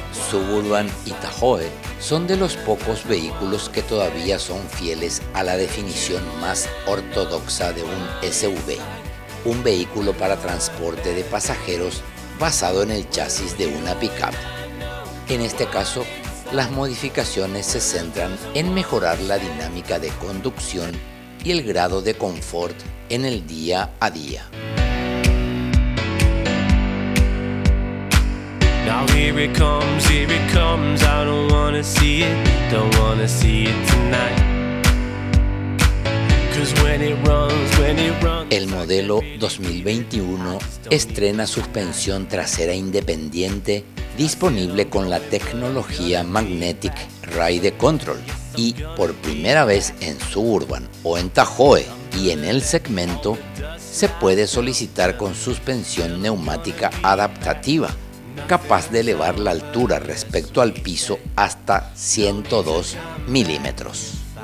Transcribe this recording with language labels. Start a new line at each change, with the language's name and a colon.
Spanish: Suburban y Tahoe son de los pocos vehículos que todavía son fieles a la definición más ortodoxa de un SUV, un vehículo para transporte de pasajeros basado en el chasis de una pickup. En este caso, las modificaciones se centran en mejorar la dinámica de conducción y el grado de confort en el día a día.
English: Now here it comes, I don't wanna see it, don't wanna see it tonight. Cause when it runs.
Spanish: El modelo 2021 estrena suspensión trasera independiente disponible con la tecnología Magnetic Ride Control y por primera vez en Suburban o en Tahoe y en el segmento se puede solicitar con suspensión neumática adaptativa, capaz de elevar la altura respecto al piso hasta 102 milímetros.